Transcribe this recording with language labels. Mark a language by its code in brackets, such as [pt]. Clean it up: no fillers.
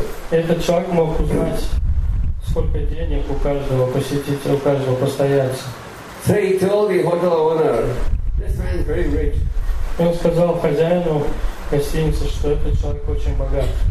[ru] Этот человек мог узнать, сколько денег у каждого посетителя, у каждого постояльца. [en] So he told the hotel owner, this man is very rich. [ru] И он сказал хозяину гостиницы, что этот человек очень богат.